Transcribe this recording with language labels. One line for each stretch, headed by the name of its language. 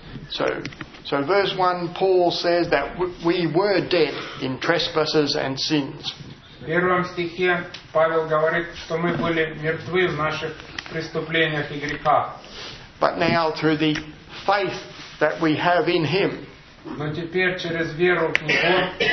English: So verse 1, Paul says that we were dead in trespasses and sins.
Russian: В первом стихе Павел говорит, что мы были мертвы в наших преступлениях и грехах.
English: But now through the faith that we have in Him,
Russian: но теперь через веру в Него,